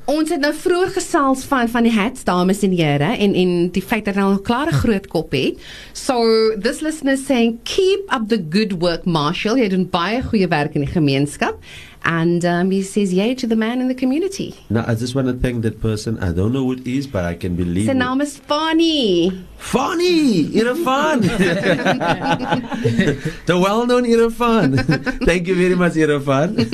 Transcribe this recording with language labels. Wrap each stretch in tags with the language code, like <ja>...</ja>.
<af>Ons het nou vroeër gesels van die hats, dames en here, en die feit dat hy nou 'n klare groot kop het.</af> <en>So, this listener is saying, keep up the good work, Marshall.</en> <af>Jy doen baie goeie werk in die gemeenskap.</af> <en>And he says, yay to the man in the community. Now, I just want to thank that person. I don't know who it is, but I can believe it. His name is Fani. Fani! Irfan! The well-known Irfan. Thank you very much, Irfan.</en>